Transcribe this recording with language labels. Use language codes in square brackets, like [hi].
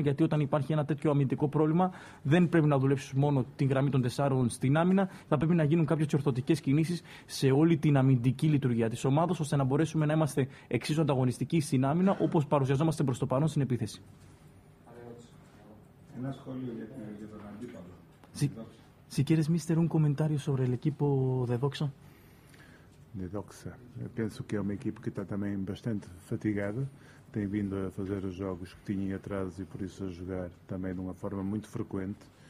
[el] Γιατί όταν υπάρχει ένα τέτοιο αμυντικό πρόβλημα, δεν πρέπει να δουλέψεις μόνο την γραμμή των τεσσάρων στην άμυνα. Θα πρέπει να γίνουν κάποιες ορθωτικές κινήσεις σε όλη την αμυντική λειτουργία της ομάδας, ώστε να μπορέσουμε να είμαστε εξίσου ανταγωνιστικοί στην άμυνα όπως παρουσιαζόμαστε προς το παρόν στην επίθεση. Ένα σχόλιο για τον αντίπαλο. [es] Si quieres, Mister, un comentario sobre el equipo de Doxa. De Doxa. [pt] Eu penso que é uma equipe que está também bastante fatigada. Tem vindo a fazer os jogos que tinha em atraso e por isso a jogar também de uma forma muito frequente.